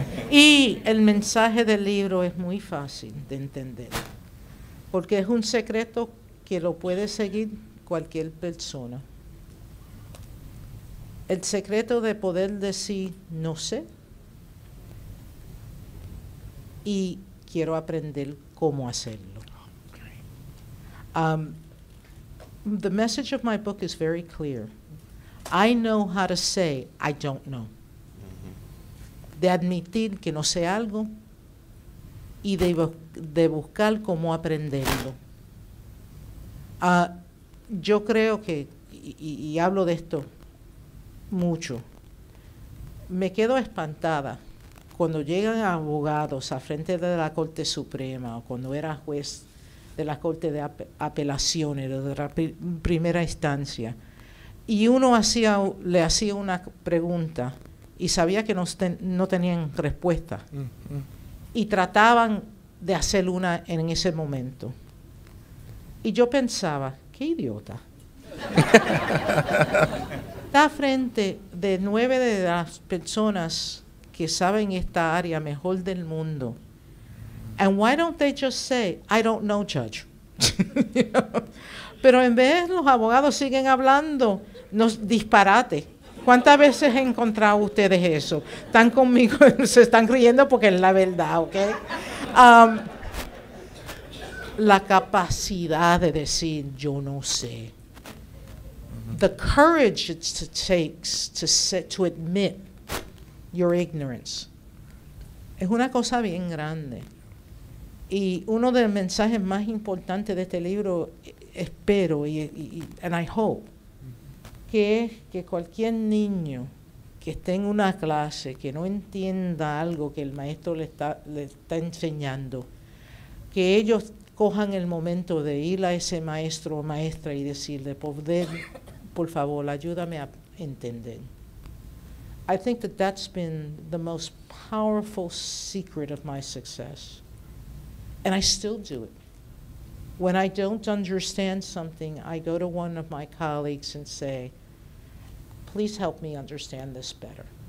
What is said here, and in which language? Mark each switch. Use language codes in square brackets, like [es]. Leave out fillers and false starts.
[es] Y el mensaje del libro es muy fácil de entender, porque es un secreto que lo puede seguir cualquier persona. El secreto de poder decir no sé y quiero aprender cómo hacerlo. [en] The message of my book is very clear. I know how to say I don't know. [es] De admitir que no sé algo y de buscar cómo aprenderlo. Yo creo que, y hablo de esto mucho, me quedo espantada cuando llegan abogados a frente de la Corte Suprema o cuando era juez de la Corte de Apelaciones de la primera instancia y uno le hacía una pregunta y sabía que no tenían respuesta. Y trataban de hacer una en ese momento. Y yo pensaba, qué idiota. Está frente de 9 de las personas que saben esta área mejor del mundo. [en] And why don't they just say, I don't know, judge? [es] Pero en vez los abogados siguen hablando, nos disparate. ¿Cuántas veces he encontrado ustedes eso? Están conmigo, se están riendo porque es la verdad, ¿ok? La capacidad de decir, yo no sé. [en] The courage it takes to admit your ignorance. [es] Es una cosa bien grande. Y uno de los mensajes más importantes de este libro, espero, [en] and I hope, [es] que es que cualquier niño que esté en una clase, que no entienda algo que el maestro le está enseñando, que ellos cojan el momento de ir a ese maestro o maestra y decirle, por favor, ayúdame a entender. [en] I think that that's been the most powerful secret of my success. And I still do it. When I don't understand something, I go to one of my colleagues and say, please help me understand this better.